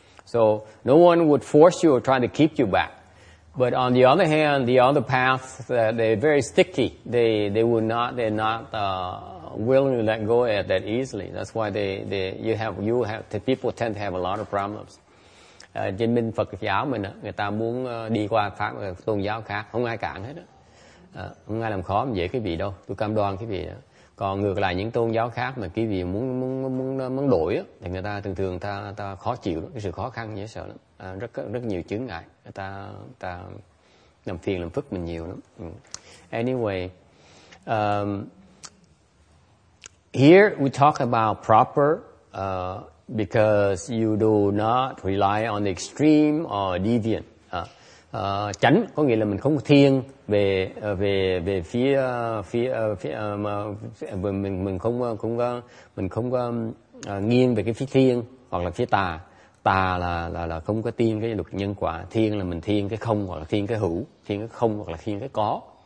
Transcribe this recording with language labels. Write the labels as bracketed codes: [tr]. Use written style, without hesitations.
[en] So no one would force you or try to keep you back. But on the other hand, the other path, they're very sticky. They're not willing to let go at that easily. That's why the people tend to have a lot of problems. [vi] Trên bên Phật giáo mình, người ta muốn đi qua pháp tôn giáo khác, không ai cản hết. Không ai làm khó dễ cái vị đâu. Tôi cam đoan cái vị. Còn ngược lại những tôn giáo khác mà cái vị muốn đổi thì người ta thường ta khó chịu, cái sự khó khăn dễ sợ lắm. Rất nhiều chướng ngại, người ta làm phiền làm phức mình nhiều lắm. [en] Anyway, here we talk about proper because you do not rely on the extreme or deviant. [vi] Chánh có nghĩa là mình không thiên về về phía phía phía mình không cũng mình không nghiêng về cái phía thiên hoặc là phía tà. Tà là không có tin cái luật nhân quả. Thiên là mình thiên cái không hoặc là thiên cái hữu, thiên cái không hoặc là thiên cái có.